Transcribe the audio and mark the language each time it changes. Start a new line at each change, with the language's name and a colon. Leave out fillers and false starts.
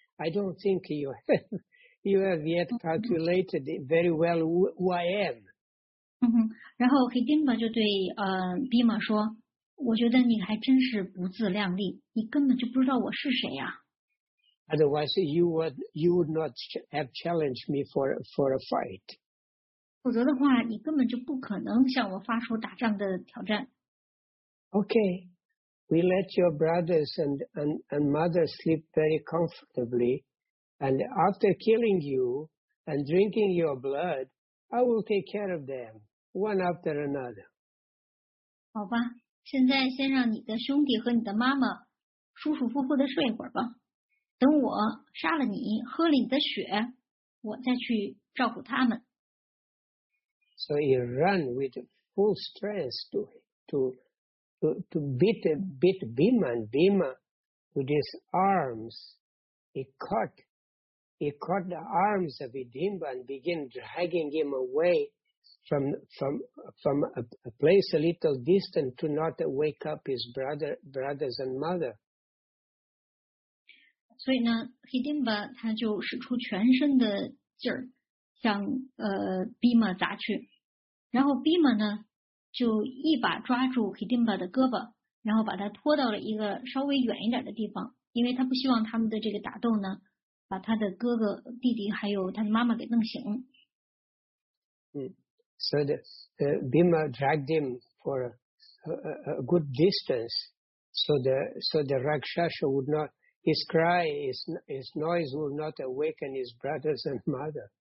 English: I don't think you have yet calculated it very well who I am.
Chinese: 然后 Hidimba 就对Bhima 说，我觉得你还真是不自量力，你根本就不知道我是谁呀。
English: Otherwise, you would not have challenged me for a fight.
Chinese: 否则的话，你根本就不可能向我发出打仗的挑战。
English: Okay. We let your brothers and mother sleep very comfortably, and after killing you and drinking your blood, I will take care of them one after another.
Chinese: 好吧，现在先让你的兄弟和你的妈妈舒舒服服的睡一会儿吧。等我杀了你，喝了你的血，我再去照顾他们。
English: So he ran with full strength to beat Bhima, and Bhima with his arms, he caught the arms of Hidimba and began dragging him away from a place a little distant to not wake up his brothers and mother.
Chinese: 所以呢 ，Hidimba 他就使出全身的劲儿，向Bhima 砸去。然后 Bhima 呢，就一把抓住 Hidimba 的胳膊，然后把他拖到了一个稍微远一点的地方，因为他不希望他们的这个打斗呢，把他的哥哥、弟弟还有他的妈妈给弄醒。
English: 嗯 ，So the Bhima dragged him for a good distance, so the Rakshasa would not. His cry, his noise will not awaken his brothers and mother.